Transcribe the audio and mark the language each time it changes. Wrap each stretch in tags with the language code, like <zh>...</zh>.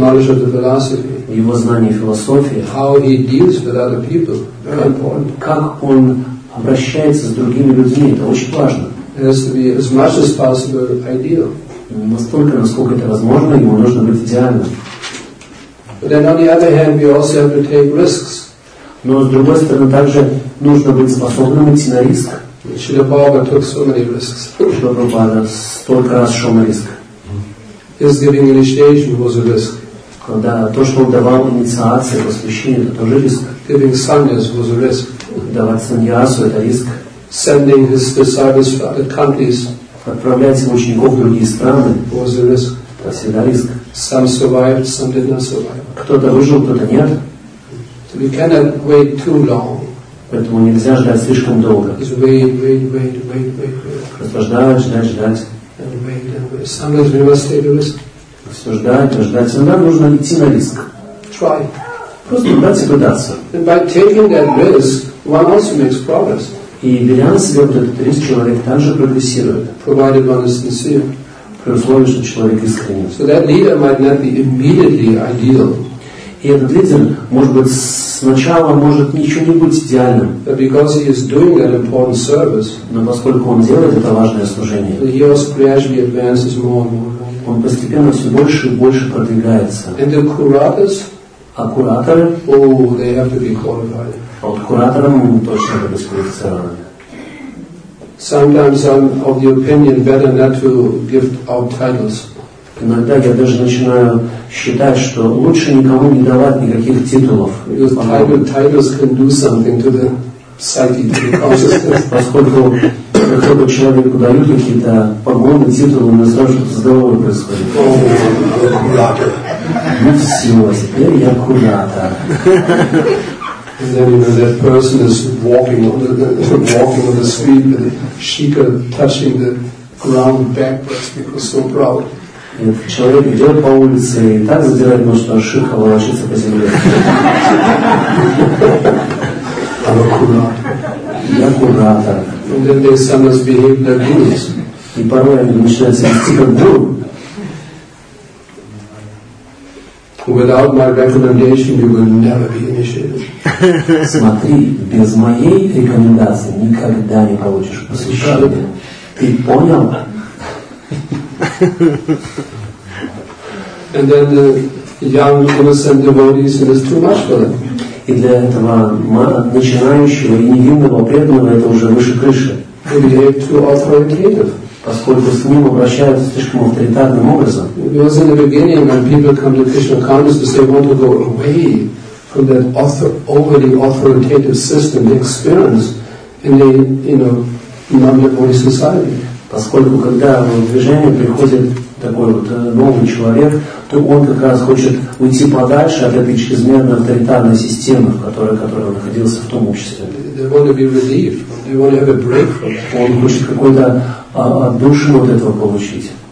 <en>Knowledge of the philosophy.</en> <ru>В его знании философии.</ru> <en>How he deals with other people. Very important.</en> <ru>Как он обращается с другими людьми, это очень важно.</ru> <en>Has to be as much as possible ideal.</en> <ru>Настолько, насколько это возможно, ему нужно быть идеальным.</ru> <en>But then on the other hand, we also have to take risks.</en> <ru>Но с другой стороны, также нужно быть способным идти на риск.</ru> <en>Шрила Прабхупада took so many risks.</en> <ru>Шрила Прабхупада столько раз шел на риск.</ru> <en>His giving initiation was a risk.</en> <ru>Когда то, что он давал инициации, посвящение, это тоже риск.</ru> <en>Giving sannyas was a risk.</en> <ru>Давать саньясу это риск.</ru> <en>Sending his disciples to other countries.</en> <ru>Отправлять своих учеников в другие страны.</ru> <en>Was a risk.</en> <ru>Это всегда риск.</ru> <en>Some survived, some did not survive.</en> <ru>Кто-то выжил, кто-то нет.</ru> <en>So we cannot wait too long.</en> <ru>Поэтому нельзя ждать слишком долго.</ru> <en>Is wait.</en> <ru>Ждать, ждать, ждать.</ru> <en>And wait. Sometimes we must take a risk.</en> <ru>Все ждать, ждать. Иногда нужно идти на риск.</ru> <en>Try.</en> <ru>Просто дать и пытаться.</ru> <en>And by taking that risk, one also makes progress.</en> <ru>И беря на себя вот этот риск, человек также прогрессирует.</ru> <en>Provided one is sincere.</en> <ru>При условии, что человек искренен.</ru> <en>So that leader might not be immediately ideal.</en> <ru>И этот лидер, может быть, сначала может ничего не быть идеальным.</ru> <en>But because he is doing an important service,</en> <ru>но поскольку он делает это важное служение,</ru> <en>he also gradually advances more and more.</en> <ru>Он постепенно все больше и больше продвигается.</ru> <en>And the curators,</en> <ru>а кураторы,</ru> <en>they have to be qualified.</en> <ru>А вот кураторам точно надо быть квалифицированными.</ru> <en>Sometimes I'm of the opinion better not to give out titles.</en> <ru>Иногда я даже начинаю считать, что лучше никому не давать никаких титулов.</ru> <en>Titles can do something to the psyche, to the consciousness.</en> <ru>Поскольку какой-то человек дают какие-то погоны, титулы, мне сразу что-то здоровое происходит. О, я куратор. Ну все, теперь я куратор.</ru> <en>And then you know, that person is walking on the street with the shika touching the ground backwards because so proud.</en> <ru>Нет, человек идет по улице и так задирает нос, что шиха волочится по земле.</ru> <en>I'm a curator.</en> <ru>Я куратор.</ru> <en>And then they sometimes behave like gurus.</en> <ru>И порой они начинают себя вести как гуру.</ru> <en>Without my recommendation, you will never be initiated.</en> <ru>Смотри, без моей рекомендации никогда не получишь посвящение. Ты понял?</ru> <en>And then the young innocent devotees, it is too much for them.</en> <ru>И для этого начинающего и невинного преданного это уже выше крыши.</ru> <en>They behave too authoritative.</en> <ru>Поскольку с ним обращаются слишком авторитарным образом.</ru> <en>Because in the beginning, when people come to Krishna consciousness, they want to go away from that overly authoritative system they experience in the, you know, non-devotee society.</en> <ru>Поскольку когда в движение приходит такой вот новый человек, то он как раз хочет уйти подальше от этой чрезмерно авторитарной системы, в которой он находился в том обществе.</ru> <en>They want to be relieved. They want to have a break from.</en> <ru>Он хочет какой-то отдушин от этого получить.</ru>